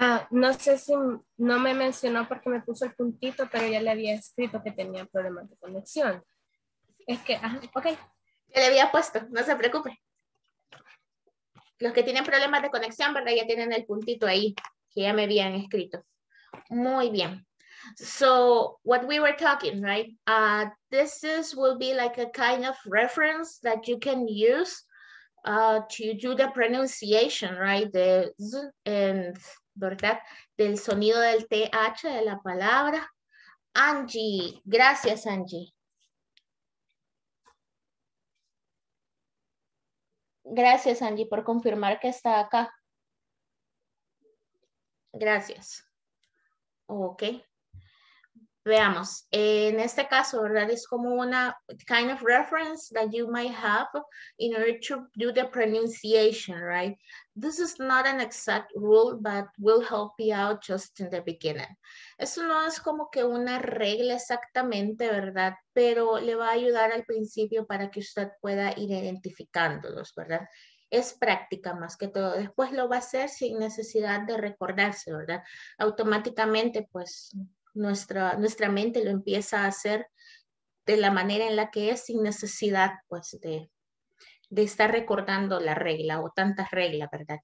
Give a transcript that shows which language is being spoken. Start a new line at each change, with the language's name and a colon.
Spanish: No sé si no me mencionó porque me puso el puntito, pero ya le había escrito que tenía problemas de conexión. Es que, ok. Ya le había puesto, no se preocupe. Los que tienen problemas de conexión, ¿verdad? Ya tienen el puntito ahí, que ya me habían escrito. Muy bien.
English: So, what we were talking, right? Will be like a kind of reference that you can use to do the pronunciation, right? The z and,
Spanish: ¿verdad? Del sonido del TH de la palabra. Angie, gracias Angie. Gracias Angie por confirmar que está acá. Gracias. Ok. Veamos, en este caso, ¿verdad? Es como una
English: kind of reference that you might have in order to do the pronunciation, right? This is not an exact rule, but will help you out just in the beginning.
Spanish: Eso no es como que una regla exactamente, ¿verdad? Pero le va a ayudar al principio para que usted pueda ir identificándolos, ¿verdad? Es práctica más que todo. Después lo va a hacer sin necesidad de recordarse, ¿verdad? Automáticamente, pues... Nuestra mente lo empieza a hacer de la manera en la que es sin necesidad pues de estar recordando la regla o tantas reglas, ¿verdad?